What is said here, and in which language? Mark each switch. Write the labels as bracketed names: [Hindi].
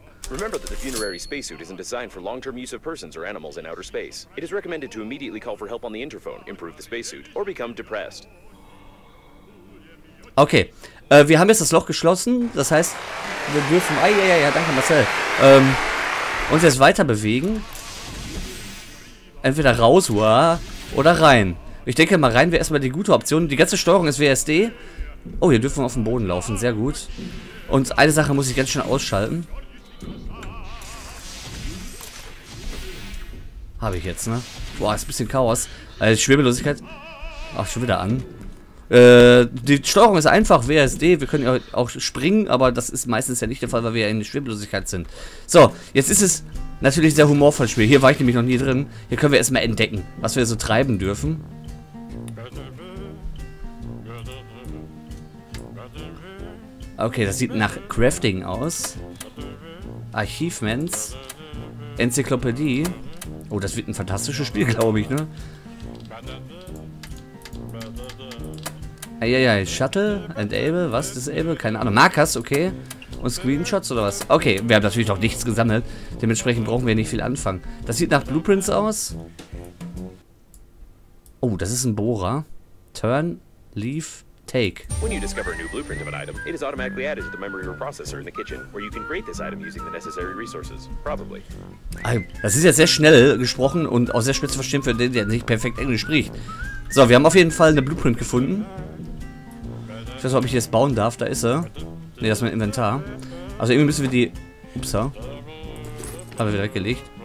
[English] Remember that the funerary spacesuit isn't designed for long-term use of persons or animals in outer space. It is recommended to immediately call for help on the interphone, improve the spacesuit, or become depressed. [German] Okay, wir haben jetzt das Loch geschlossen, das heißt, wir dürfen... Ah, ja, danke Marcel. Uns jetzt weiter bewegen. Entweder raus, oder rein. Ich denke mal, rein wäre erstmal die gute Option. Die ganze Steuerung ist WSD. Oh, hier dürfen wir auf dem Boden laufen, sehr gut. Und eine Sache muss ich ganz schnell ausschalten. Habe ich jetzt, ne? Boah, ist ein bisschen Chaos. Also Schwebelosigkeit. Ach, schon wieder an. Die Steuerung ist einfach. WASD. Wir können ja auch springen, aber das ist meistens ja nicht der Fall, weil wir ja in der Schwebelosigkeit sind. So, jetzt ist es natürlich sehr humorvolles Spiel. Hier war ich nämlich noch nie drin. Hier können wir erstmal entdecken, was wir so treiben dürfen. Okay, das sieht nach Crafting aus. Archivements. Enzyklopädie. Oh, das wird ein fantastisches Spiel, glaube ich, ne? Eieiei, Shuttle and Able, was ist Able? Keine Ahnung. Markers, okay. Und Screenshots oder was? Okay, wir haben natürlich noch nichts gesammelt. Dementsprechend brauchen wir nicht viel anfangen. Das sieht nach Blueprints aus. Oh, das ist ein Bohrer. Turn, Leaf, Take. [English] When you discover a new blueprint of an item, it is automatically added to the memory of a processor in the kitchen, where you can create this item using the necessary resources, probably. [German] Das ist ja sehr schnell gesprochen und auch sehr schwer zu verstehen für den, der nicht perfekt Englisch spricht. So, wir haben auf jeden Fall eine Blueprint gefunden. Ich weiß nicht, ob ich das bauen darf, da ist er. Ne, das ist mein Inventar. Also irgendwie müssen wir die... Upsa. Haben wir wieder weggelegt.